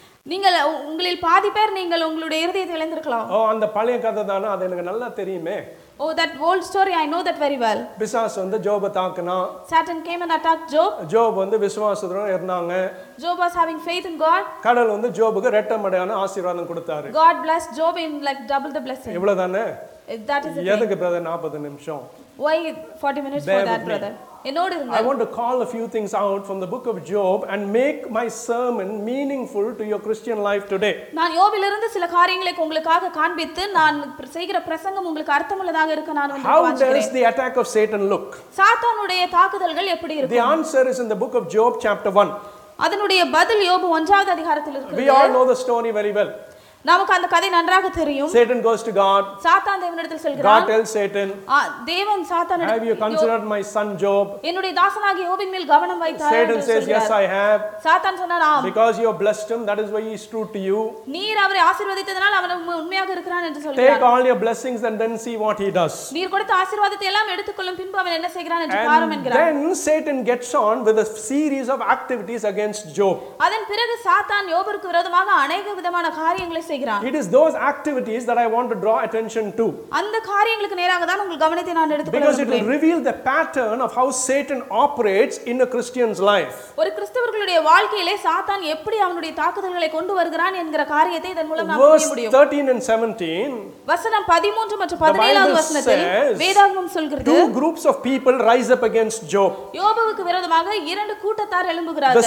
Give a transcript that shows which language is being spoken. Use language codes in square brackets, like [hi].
[ta] நீங்கள் உங்களில் பாதி பேர் நீங்கள் உங்களுடைய இதயத்தை இழந்திருக்கலாம். ஓ அந்த பழைய கதை தானா அது எனக்கு நல்லா தெரியுமே. [en] Oh that old story I know that very well. [ta] பிசாஸ் வந்து ஜோப தாக்குனா. [en] Satan came and attacked Job. [ta] ஜோப் வந்து விசுவாசத்துடன் இருந்தாங்க. [en] Job was having faith in God. [ta] கடவுள் வந்து ஜோபுக்கு ரெட்டமடையான ஆசீர்வாதம் கொடுத்தாரு. [en] God blessed Job in like double the blessing. [ta] இவ்ளோ தானே? [en] That is it. [ta] எதுக்கு பிரதர் 40 நிமிஷம்? [en] Why 40 minutes for that brother? [ta] என்னோடு இருங்க. [en] I want to call a few things out from the book of Job and make my sermon meaningful to your Christian life today. [ta] நான் யோபிலிருந்து சில காரியங்களை உங்களுக்காக காண்பித்து நான் செய்கிற பிரசங்கம் உங்களுக்கு அர்த்தமுள்ளதாக இருக்க நான் வந்து வாசிக்கிறேன். [en] How does the attack of Satan look? [ta] சாத்தானுடைய தாக்குதல்கள் எப்படி இருக்கும்? [en] The answer is in the book of Job chapter 1. [ta] அதனுடைய பதில் யோபு 1வது அதிகாரத்தில் இருக்கிறது. [en] We all know the story very well. [ta] நமக்கு அந்த கதை நன்றாக தெரியும். [en] Satan goes to God. [ta] சாத்தான் தேவனிடத்தில் சொல்கிறான். [en] God tells Satan. [ta] தேவன் சாத்தானிடம் [en] Have you considered my son Job? [ta] என்னுடைய தாசனாகிய யோபின் மேல் கவனம் வைத்தாய். [en] Satan says yes I have. [ta] சாத்தான் சொன்னான் ஆம். [en] Because you have blessed him that is why he is true to you. [ta] நீர் அவரை ஆசீர்வதித்ததனால் அவன் உண்மையாக இருக்கிறான் என்று சொல்கிறான். [en] Take all your blessings and then see what he does. [ta] நீர் கொடுத்த ஆசீர்வாதத்தை எல்லாம் எடுத்துக்கொள்ளும் பின்பு அவன் என்ன செய்கிறான் என்று பாரும் என்கிறான். [en] Then Satan gets on with a series of activities against Job. [ta] அதன் பிறகு சாத்தான் யோபிற்கு விரோதமாக அநேக விதமான காரியங்களை செய்கிறான். [en] It is those activities that I want to draw attention to. [ta] அந்த காரியங்களுக்கு நேராக தான் உங்கள் கவனத்தை நான் எடுத்துக்கொள்கிறேன். [en] Because it will reveal the pattern of how Satan operates in a Christian's life. [ta] ஒரு கிறிஸ்தவர்களுடைய வாழ்க்கையிலே சாத்தான் எப்படி அவனுடைய தாக்குதல்களை கொண்டு வருகிறான் என்கிற காரியத்தை இதன் மூலம் நாம் புரிந்து கொள்ள முடியும். [en] Verse 13 and 17. [ta] வசனம் 13 மற்றும் 17வது வசனத்தில் வேதாகமம் சொல்கிறது. [en] Two groups of people rise up against Job. [ta] யோபுவுக்கு விரோதமாக இரண்டு கூட்டத்தார் எழும்புகிறார்கள்.